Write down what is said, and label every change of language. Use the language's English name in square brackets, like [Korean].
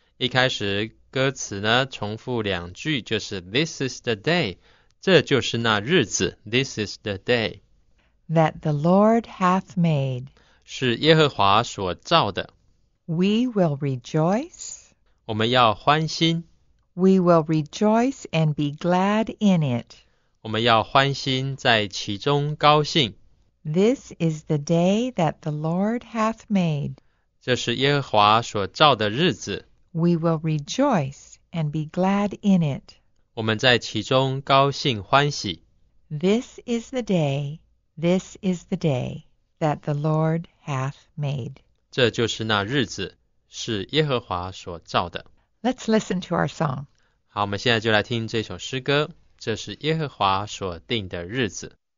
[Chinese] 一开始歌词呢重复两句就是 [English] This is the day, [Chinese] 这就是那日子 [English] This is the day. That the Lord hath made. [Chinese] 是耶和华所造的。 [English] We will rejoice. [Chinese] 我们要欢欣。 [English] We will rejoice and be glad in it. [Chinese] 我们要欢欣在其中高兴。 [English] This is the day that the Lord hath made. [Chinese] 这是耶和华所造的日子。 [English] We will rejoice and be glad in it. [Chinese] 我们在其中高兴欢喜。 [English] This is the day, this is the day that the Lord hath made. [Chinese] 这就是那日子是耶和华所造的。 [English] Let's listen to our song. [Chinese] 好，我们现在就来听这首诗歌，这是耶和华所定的日子。